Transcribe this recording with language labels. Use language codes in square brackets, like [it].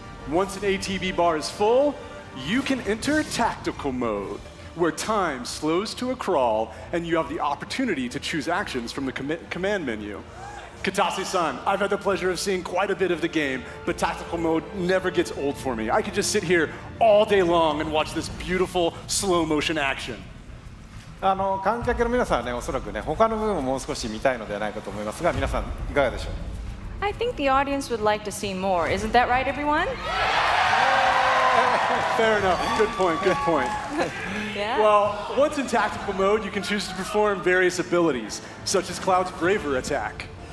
[en] Once an ATB bar is full, you can enter tactical mode, where time slows to a crawl and you have the opportunity to choose actions from the command menu. Kitase-san, I've had the pleasure of seeing quite a bit of the game, but tactical mode never gets old for me. I could just sit here all day long and watch this beautiful slow motion action. [ja] 観客の皆さんはね、おそらくね、他の部分ももう少し見たいのではないかと思いますが、皆さんいかがでしょう? [en] I think the audience would like to see more. Isn't that right, everyone? Fair enough. Good point, good point. Yeah. Well, once in tactical mode, you can choose to perform various abilities, such as Cloud's Braver attack.